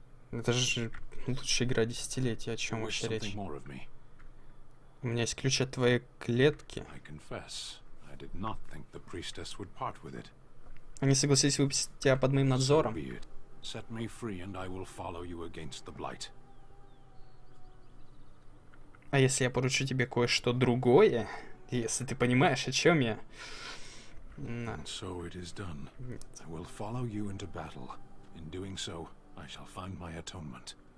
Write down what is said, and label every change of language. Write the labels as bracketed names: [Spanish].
[Russian] Это же лучшая игра десятилетия. О чем вообще речь? У меня есть ключ от твоей клетки. [English] I confess, I did not think the priestess would part with it. [Russian] Они согласились выпустить тебя под моим надзором. [English] Set me free, and I will follow you against the blight. [Russian] А если я поручу тебе кое-что другое, если ты понимаешь, о чем я? [English] So it is done. I will follow you into battle. In doing so, I shall find my atonement.